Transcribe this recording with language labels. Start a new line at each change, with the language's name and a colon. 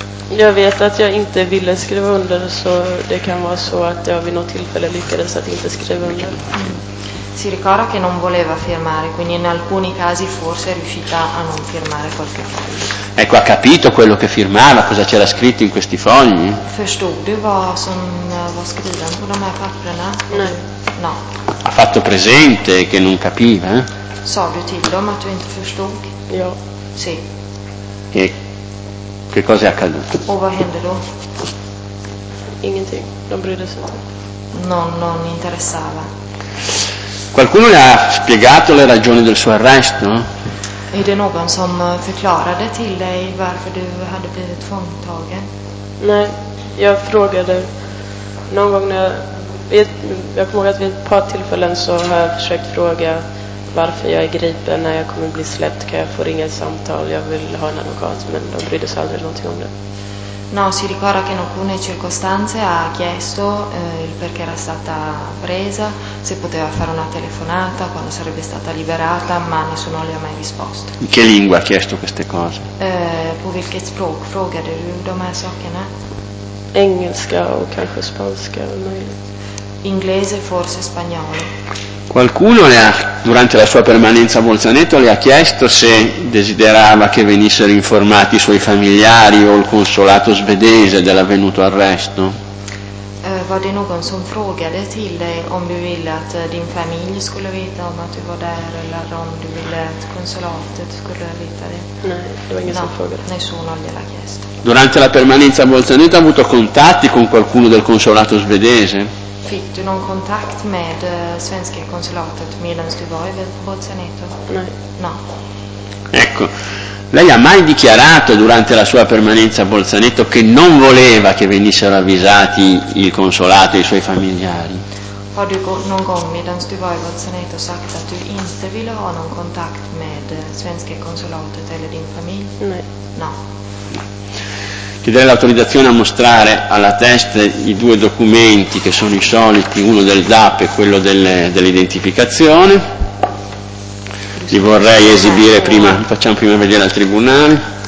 Swedish: Jag vet att jag inte ville skriva under, så det kan vara så att jag vid något tillfälle lyckades att inte skriva under.
Italian: Si ricorda che non voleva firmare, quindi in alcuni casi forse è riuscita a non firmare qualche foglio. Ecco, ha capito quello che firmava, cosa c'era scritto in questi fogli?
Swedish: Förstod du vad skriven på de här papperna? Nej.
Italian: No. Ha fatto presente che non capiva?
Swedish: Sa du till dem att du inte förstod? Ja.
Italian: Sì. E che cosa è accaduto?
Swedish: O vad hände då? Ingenting, non brydde sig.
Italian: Non interessava. Qualcuno le ha spiegato le ragioni del suo arresto?
Swedish: Är det någon som förklarade till dig varför du hade blivit fångtagen? Nej, jag frågade någon gång jag kommer ihåg att vid ett par tillfällen så har jag försökt fråga varför jag är gripen, när jag kommer bli släppt, kan jag få ringa ett samtal, jag vill ha en advokat, men de brydde sig aldrig någonting om det.
Italian: No, si ricorda che in alcune circostanze ha chiesto il perché era stata presa, se poteva fare una telefonata, quando sarebbe stata liberata, ma nessuno le ha mai risposto. In che lingua ha chiesto queste cose?
Swedish: På vilket språk frågade du de här sakerna? Engelska o kanske spanska.
Italian: Inglese, forse spagnolo. Qualcuno durante la sua permanenza a Bolzaneto le ha chiesto se desiderava che venissero informati i suoi familiari o il consolato svedese dell'avvenuto arresto?
Swedish: Var det någon som frågade till dig om du ville att din familj skulle veta om att du var där eller om du ville att konsulatet skulle veta det? Nej, det var ingen som frågade.
Italian: Nessuno gliel'ha chiesto. Durante la permanenza a Bolzaneto ha avuto contatti con qualcuno del consolato svedese?
Swedish: Fick du någon kontakt med svenska konsulatet medan du var i Bolzaneto? Nej.
Italian: No. Ecco, lei ha mai dichiarato durante la sua permanenza a Bolzaneto che non voleva che venissero avvisati il consolato e i suoi familiari?
Swedish: Har du någon gång medan du var i Vatsanet och sagt att du inte ville ha någon kontakt med svenska konsulatet eller din familj? Nej.
Italian: No. Chiedere l'autorizzazione a mostrare alla test i due documenti che sono i soliti, uno del DAP e quello dell'identificazione. Li vorrei esibire prima, facciamo prima vedere al tribunale.